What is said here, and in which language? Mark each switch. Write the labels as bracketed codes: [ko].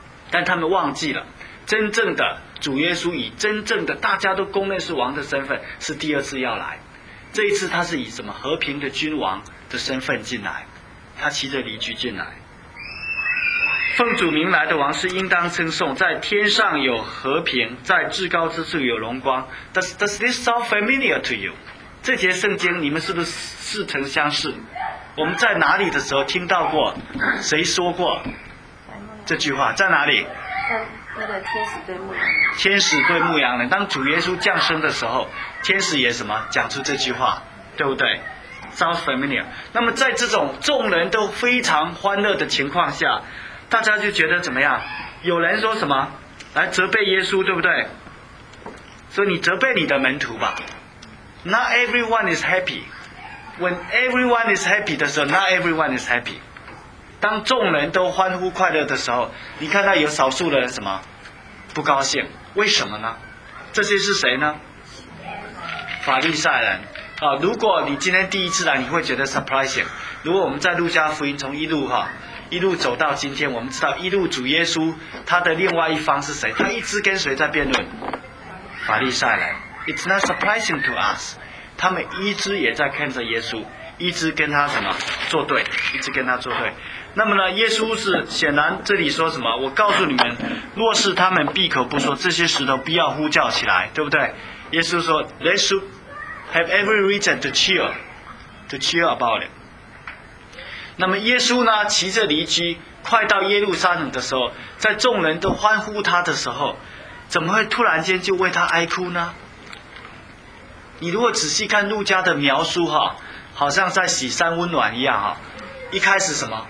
[zh] 但他们忘记了真正的主耶稣以真正的大家都公认是王的身份是第二次要来，这一次他是以什么和平的君王的身份进来，他骑着驴驹进来，奉主名来的王是应当称颂，在天上有和平，在至高之处有荣光。 [en] Does this sound familiar to you? [zh] 这节圣经你们是不是似曾相识？我们在哪里的时候听到过谁说过这句话？在哪里？那个天使对牧羊人，天使对牧羊人，当主耶稣降生的时候，天使也什么讲出这句话，对不对？ [en] Sound familiar。 [zh] 那么在这种众人都非常欢乐的情况下，大家就觉得怎么样？有人说什么？来责备耶稣，对不对？说你责备你的门徒吧。 [en] Not everyone is happy. When everyone is happy [zh] 的时候 [en] ，not everyone is happy. [zh] 当众人都欢呼快乐的时候，你看到有少数的人什么？不高兴。为什么呢？这些是谁呢？法利赛人。啊，如果你今天第一次来，你会觉得 surprising。如果我们在路加福音从一路哈。一路走到今天，我们知道一路主耶稣他的另外一方是谁，他一直跟谁在辩论？法利赛人。 [en] It's not surprising to us， [zh] 他们一直也在看着耶稣，一直跟他什么作对，一直跟他作对。那么呢，耶稣是显然这里说什么？我告诉你们，若是他们闭口不说，这些石头必要呼叫起来，对不对？耶稣说 [en] They should have every reason to cheer about it。 [zh] 那么耶稣呢，骑着驴驹快到耶路撒冷的时候，在众人都欢呼他的时候，怎么会突然间就为他哀哭呢？你如果仔细看路加的描述哈，好像在喜山温暖一样哈。一开始什么？